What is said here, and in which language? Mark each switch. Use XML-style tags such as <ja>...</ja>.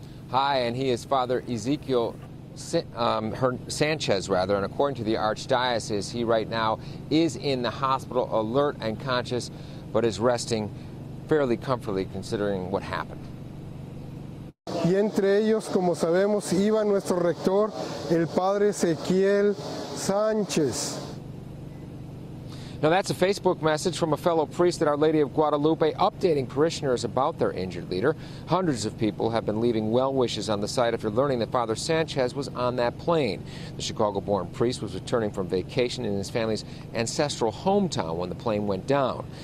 <en>Hi, and he is Father Ezekiel Sanchez, rather, and according to the Archdiocese, he right now is in the hospital, alert and conscious, but is resting fairly comfortably considering what happened.</en> <es>Y entre ellos, como sabemos, iba nuestro rector, el Padre Ezequiel Sánchez.</es> <en>Now that's a Facebook message from a fellow priest at Our Lady of Guadalupe updating parishioners about their injured leader. Hundreds of people have been leaving well wishes on the site after learning that Father Sanchez was on that plane. The Chicago-born priest was returning from vacation in his family's ancestral hometown when the plane went down.</en>